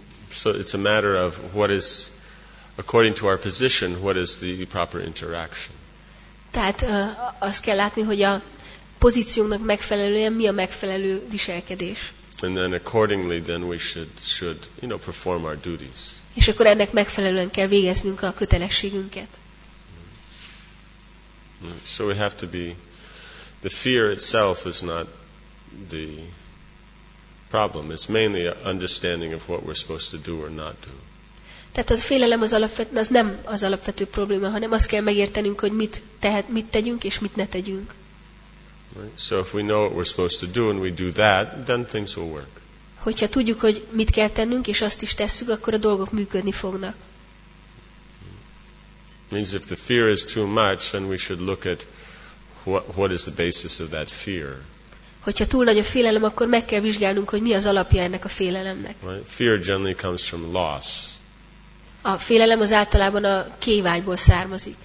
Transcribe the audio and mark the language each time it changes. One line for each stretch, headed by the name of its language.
English: So it's a matter of what is, according to our position, what is the proper interaction.
Hungarian: Tehát azt kell látni, hogy a pozíciónak megfelelően mi a megfelelő viselkedés.
English: And then accordingly then we should you know, perform our duties.
Hungarian: És akkor ennek megfelelően kell végeznünk a kötelességünket.
English: So we have to be, the fear itself is not the problem. It's mainly an understanding of what we're supposed to do or not do.
Hungarian: Tehát a félelem az nem az alapvető probléma, hanem azt kell megértenünk, hogy mit tegyünk és mit ne tegyünk.
English: Right. So if we know what we're supposed to do and we do that, then things will work.
Hungarian: Hogyha tudjuk, hogy mit kell tennünk és azt is tesszük, akkor a dolgok működni fognak.
English: Means if the fear is too much, then we should look at what is the basis of that fear.
Hungarian: Hogyha túl nagy a félelem, akkor meg kell vizsgálnunk, hogy mi az alapja ennek a félelemnek.
English: Right. Fear generally comes from loss.
Hungarian: A félelem az általában a kévágyból származik.